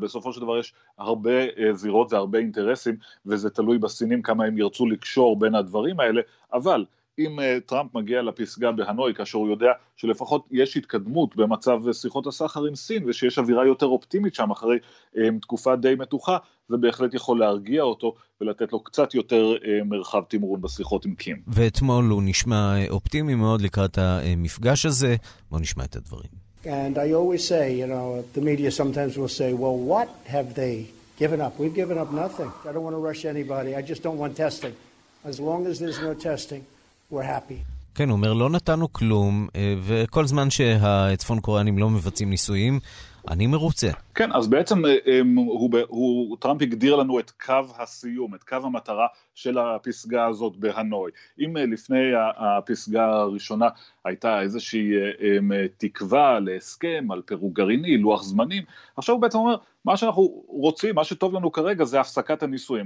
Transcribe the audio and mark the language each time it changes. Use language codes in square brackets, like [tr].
[he] בסופו של דבר יש הרבה זירות והרבה אינטרסים, וזה תלוי בסינים כמה הם ירצו לקשור בין הדברים האלה, אבל אם טראמפ מגיע לפסגה בהנוי, כאשר הוא יודע שלפחות יש התקדמות במצב שיחות הסחר עם סין, ושיש אווירה יותר אופטימית שם אחרי תקופה די מתוחה, זה בהחלט יכול להרגיע אותו ולתת לו קצת יותר מרחב תמרון בשיחות עם קים. ואתמול הוא נשמע אופטימי מאוד לקראת המפגש הזה. בוא נשמע את הדברים. [en] And I always say, you know, the media sometimes will say, well, what have they given up? We've given up nothing. I don't want to rush anybody. I just don't want testing. As long as there's no testing, we're happy. [he] כן, הוא אומר, לא נתנו כלום, וכל זמן שהצפון קוריאנים לא מבצעים ניסויים, אני מרוצה. כן, אז בעצם טראמפ הגדיר לנו את קו הסיום, את קו המטרה של הפסגה הזאת בהנוי. אם לפני הפסגה הראשונה הייתה איזושהי תקווה להסכם על פירוק גרעיני, לוח זמנים, עכשיו הוא בעצם אומר, מה שאנחנו רוצים, מה שטוב לנו כרגע, זה הפסקת הניסויים.